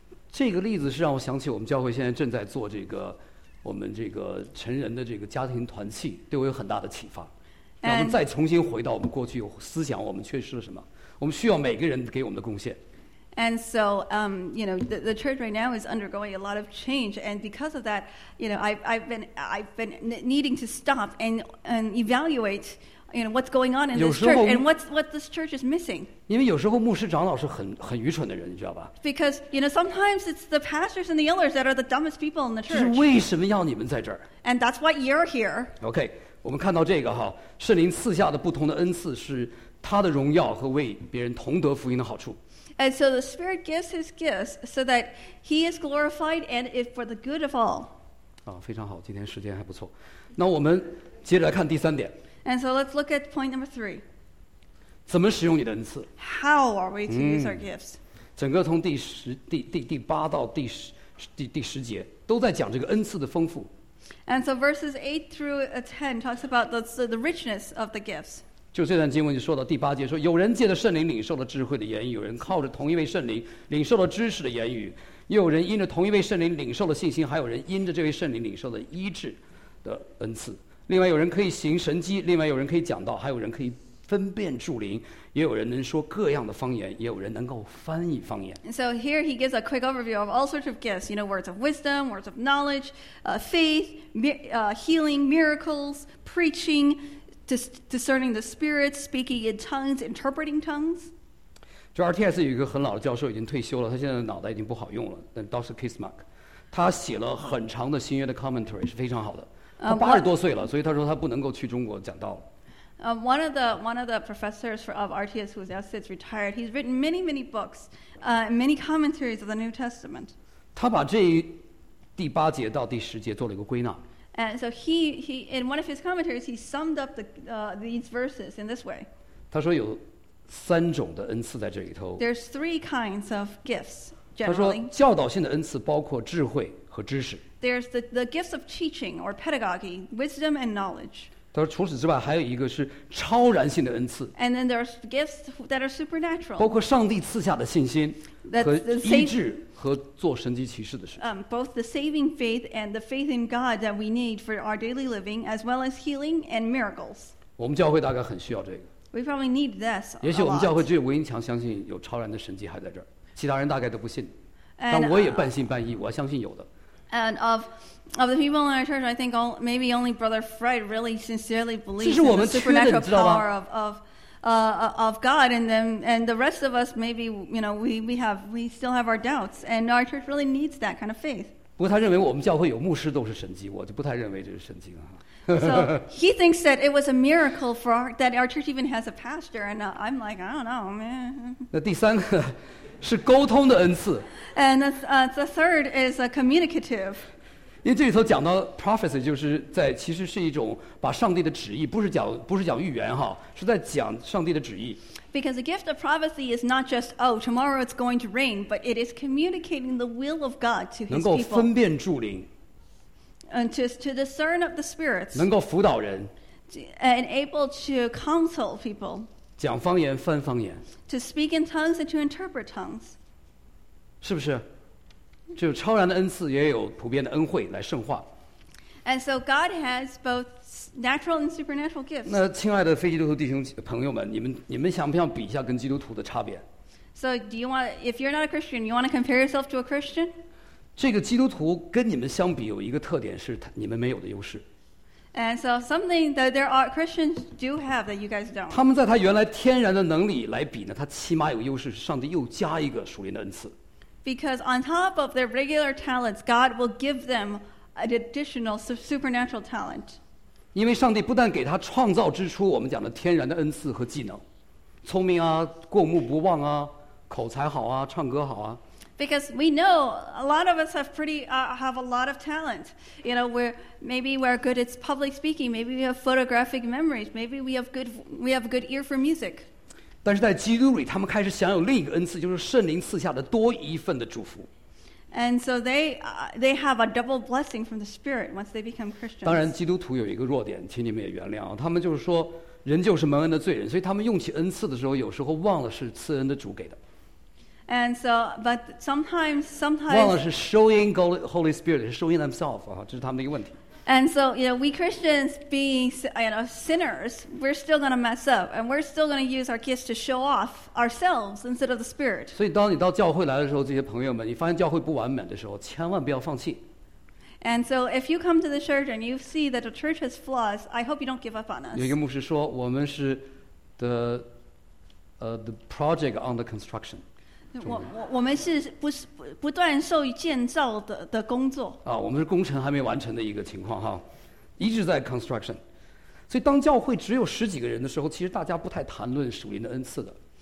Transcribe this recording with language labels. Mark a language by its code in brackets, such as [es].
[zh] 这个例子是让我想起我们教会现在正在做这个我们这个成人的这个家庭团契，对我有很大的启发。让我们再重新回到我们过去思想，我们缺失了什么？我们需要每个人给我们的贡献。 [en] And so, you know, the church right now is undergoing a lot of change, and because of that, you know, I've been needing to stop and evaluate you know, what's going on in this church and what this church is missing. [zh] 因为有时候牧师长老是很愚蠢的人，你知道吧？ [en] Because, you know, sometimes it's the pastors and the elders that are the dumbest people in the church. [zh] 就是为什么要你们在这儿？ [en] And that's why you're here. [zh] Okay, 我们看到这个哈，圣灵赐下的不同的恩赐是他的荣耀和为别人同得福音的好处。 [en] And so the Spirit gives his gifts so that he is glorified and if for the good of all. [zh] 啊，非常好，今天时间还不错。那我们接着来看第三点。 [en] And so let's look at point number three. [zh] 怎么使用你的恩赐？ [en] How are we to use our gifts? [zh] 整个从第八到第十节都在讲这个恩赐的丰富。 [en] And so verses 8 through 10 talks about the richness of the gifts. [zh] 就这段经文就说到第八节，说有人借着圣灵领受了智慧的言语，有人靠着同一位圣灵领受了知识的言语，又有人因着同一位圣灵领受了信心，还有人因着这位圣灵领受了医治的恩赐。另外有人可以行神迹，另外有人可以讲道，还有人可以分辨助灵，也有人能说各样的方言，也有人能够翻译方言。 [en] And so here he gives a quick overview of all sorts of gifts, you know, words of wisdom, words of knowledge, faith, healing, miracles, preaching, discerning the spirit, speaking in tongues, interpreting tongues. [zh] 就 RTS 有一个很老的教授已经退休了，他现在的脑袋已经不好用了，但 Dr. Kismark 他写了很长的新约的 commentary 是非常好的。他八十多岁了，所以他说他不能够去中国讲道了。 [en] One of the professors of RTS who is now since retired, he's written many, many books, many commentaries of the New Testament. [zh] 他把这第八节到第十节做了一个归纳。 [en] And so he in one of his commentaries, he summed up these verses in this way. [zh] 他说有三种的恩赐在这里头。 [en] There's three kinds of gifts, generally. [zh] 他说教导性的恩赐包括智慧和知识。 [en] There's the gifts of teaching or pedagogy, wisdom and knowledge. [zh] 他说除此之外还有一个是超然性的恩赐。 [en] And then there's gifts that are supernatural. [zh] 包括上帝赐下的信心和医治和做神迹奇事的事。 [en] Both the saving faith and the faith in God that we need for our daily living, as well as healing and miracles. [zh] 我们教会大概很需要这个。 [en] We probably need this. [zh] 也许我们教会只有吴英强相信有超然的神迹还在这儿，其他人大概都不信。但我也半信半疑，我相信有的。 [en] And of the people in our church, I think maybe only Brother Fred really sincerely believes in the supernatural power of God. And then and the rest of us, maybe, you know, we still have our doubts. And our church really needs that kind of faith. [zh] 不过他认为我们教会有牧师都是神迹，我就不太认为这是神迹了。 [en] So he thinks that it was a miracle for that our church even has a pastor. And I'm like, I don't know, man. [zh] 那第三个。是沟通的恩赐。 [en] And the third is a communicative. [zh] 因为这里头讲到 prophecy， 就是在其实是一种把上帝的旨意，不是讲预言哈，是在讲上帝的旨意。 [en] Because the gift of prophecy is not just oh tomorrow it's going to rain， but it is communicating the will of God to His people. [zh] 能够分辨助灵。 [en] And to discern of the spirits. [zh] 能够辅导人。 [en] And able to counsel people. [zh] 讲方言翻方言 [en] to speak in tongues and to interpret tongues [zh] 是不是就超然的恩赐也有普遍的恩惠来圣化 [en] and so God has both natural and supernatural gifts [zh] 那亲爱的非基督徒弟兄朋友们你们想不想比一下跟基督徒的差别 [en] so do you want if you're not a Christian you want to compare yourself to a Christian [zh] 这个基督徒跟你们相比有一个特点是你们没有的优势 [en] And so something that there are Christians do have that you guys don't. [zh] 他们在他原来天然的能力来比呢，他起码有优势，上帝又加一个属灵的恩赐。 [en] Because on top of their regular talents, God will give them an additional supernatural talent. [zh] 因为上帝不但给他创造之初我们讲的天然的恩赐和技能，聪明啊，过目不忘啊，口才好啊，唱歌好啊。 [en] Because we know a lot of us have a lot of talent. You know, maybe we're good at public speaking. Maybe we have photographic memories. Maybe we have a good ear for music. [zh] 但是在基督里，他们开始享有另一个恩赐，就是圣灵赐下的多一份的祝福。 [en] And so they have a double blessing from the Spirit once they become Christians. [zh] 当然，基督徒有一个弱点，请你们也原谅啊。他们就是说，人就是蒙恩的罪人，所以他们用起恩赐的时候，有时候忘了是赐恩的主给的。 [en] And so, but sometimes [zh] 忘了是收音 Holy Spirit 是收音 themselves 啊，这是他们的一个问题。 [en] And so, you know, we Christians being you know sinners, we're still going to mess up, and we're still going to use our gifts to show off ourselves instead of the Spirit. [zh] 所以，当你到教会来的时候，这些朋友们，你发现教会不完美的时候，千万不要放弃。 [en] And so if you come to the church and you see that the church has flaws, I hope you don't give up on us. [zh] 有一个牧师说，我们是 [en] the project under construction. [zh] 我们是不断受建造的工作。啊，我们是工程还没完成的一个情况哈，一直在 construction。所以当教会只有十几个人的时候，其实大家不太谈论属灵的恩赐的。